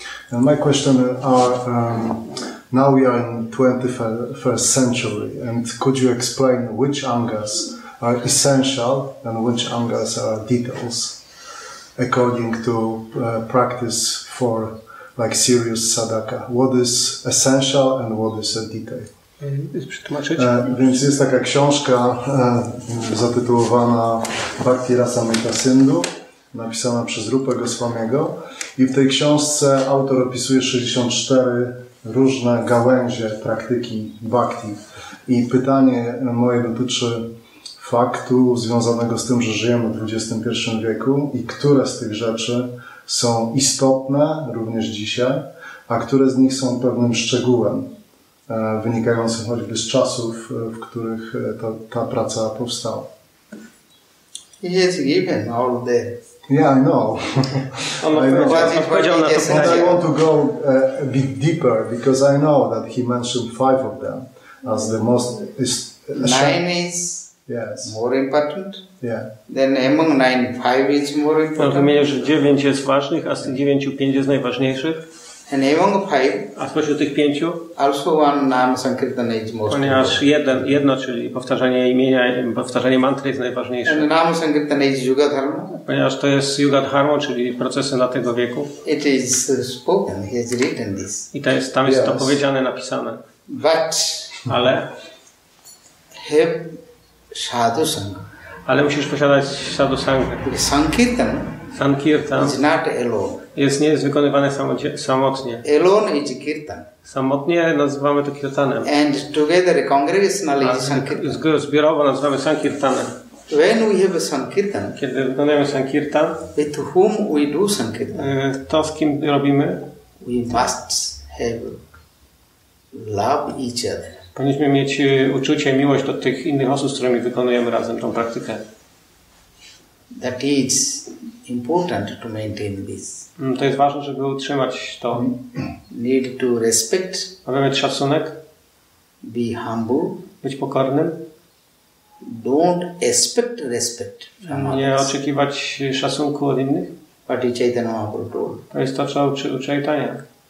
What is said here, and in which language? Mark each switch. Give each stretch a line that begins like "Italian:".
English: And my question are, now we are in 21st century, and could you explain which angas are essential and which angas are details according to practice for like serious sadaka? What is essential and what is a detail?
Polish: Więc jest taka książka zatytułowana Bhakti Rasamrita Sindhu, napisana przez Rupę Goswamiego. I w tej książce autor opisuje 64 różne gałęzie praktyki bhakti. I pytanie moje dotyczy faktu związanego z tym, że żyjemy w XXI wieku i które z tych rzeczy są istotne również dzisiaj, a które z nich są pewnym szczegółem wynikającym choćby z czasów, w których ta praca powstała.
English: Yes, given all the... Yeah, I know. But I want to go a bit deeper, because I know that he mentioned five of them as the most... Nine is... Yes. More important? Yeah. Then among nine, five is more important.
Polish: No, rozumiem, że dziewięć jest ważnych, a z tych dziewięciu pięć jest najważniejszych.
English: And among five,
Polish: a spośród tych pięciu?
English: Also one nam sankirtana is most important.
Polish: Ponieważ jedno, czyli powtarzanie imienia, powtarzanie mantry jest najważniejsze.
English: And nam sankirtana is yuga dharma.
Polish: Ponieważ to jest yuga dharma, czyli procesy na tego wieku.
English: It is spoken, he has written this.
Polish: I to jest, tam jest
English: yes.
Polish: To powiedziane, napisane.
English: But.
Polish: Ale.
English: He, sadhu sangha.
Polish: Ale musisz posiadać sadhu sangha.
English: Sankirtan.
Polish: Sankirtan.
English: Is not alone.
Polish: Jest wykonywane samotnie.
English: Alone is kirtan.
Polish: Samotnie nazywamy to kirtanem.
English: And together congregationally is sankirtan.
Polish: Zbiorowo nazywamy sankirtanem.
English: When we have a sankirtan.
Polish: Kiedy wykonujemy sankirtan.
English: With whom we do sankirtan.
Polish: To z kim robimy?
English: We must have love each other.
Polish: Powinniśmy mieć uczucie i miłość do tych innych osób, z którymi wykonujemy razem tą praktykę.
English: That is important to maintain this.
Polish: To jest ważne, żeby utrzymać to.
English: Need to respect.
Polish: Aby mieć szacunek.
English: Be humble.
Polish: Być pokornym.
English: Don't expect respect from others.
Polish: Nie oczekiwać szacunku od innych.
English: Pati Chaitanya Mahaprabhu told.
Polish: To jest to, co uczy Chaitanya.